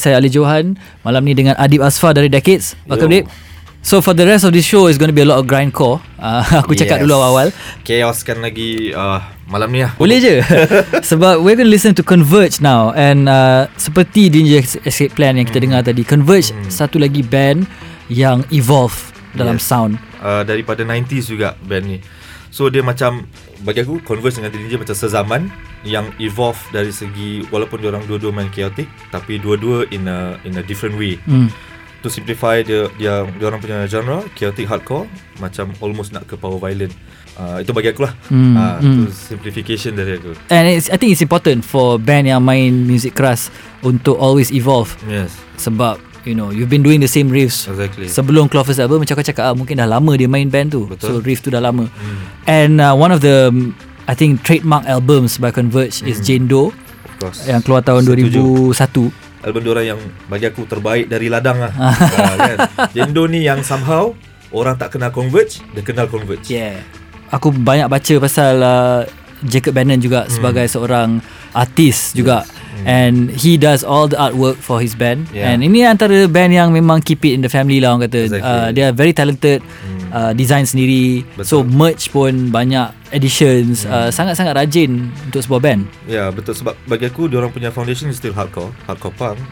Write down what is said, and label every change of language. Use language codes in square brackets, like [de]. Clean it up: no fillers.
[ms] Saya Ali Johan, malam ni dengan Adib Asfar dari Decades. [en] Welcome, Adib. So for the rest of this show is going to be a lot of grindcore. [ms] Aku cakap dulu awal-awal. Chaoskan lagi malam ni lah. Boleh je. [en] Sebab we're going to listen to Converge now. [ms] And seperti Danger Escape Plan yang kita dengar tadi, Converge satu lagi band yang evolve dalam sound daripada 90s juga band ni. So dia macam, bagi aku, Converge dengan Dillinger macam sezaman yang evolve dari segi, walaupun diorang dua-dua main chaotic, tapi dua-dua [en] in a different way. To simplify, [ms] diorang punya genre chaotic hardcore macam almost nak ke power violent. Itu bagi aku lah. Itu simplification dari aku. [en] And I think it's important for band [ms] yang main music keras untuk [en] always evolve. [ms] Yes. Sebab you know, you've been doing the same riffs. Exactly. Sebelum Clover's album, macam kau cakap, mungkin dah lama dia main band tu. Betul. So riff tu dah lama. [en] And one of the, I think, trademark albums by Converge is Jane Doe. Of course. [ms] Yang keluar tahun 2001. Album diorang yang bagi aku terbaik dari ladang lah. Kan? Jane Doe ni yang somehow orang tak kenal Converge, dia kenal Converge. [en] Yeah. [ms] Aku banyak baca pasal Jacob Bannon juga sebagai seorang artis juga. [en] And he does all the artwork for his band. [ms] And ini antara band yang memang [en] keep it in the family [ms] lah, orang kata. [en] Exactly. They are very talented. [ms] Design sendiri. Betul. So merch pun banyak editions. Sangat-sangat rajin untuk sebuah band. Ya, betul. Sebab bagi aku, diorang punya [en] foundation is still hardcore. Hardcore punk.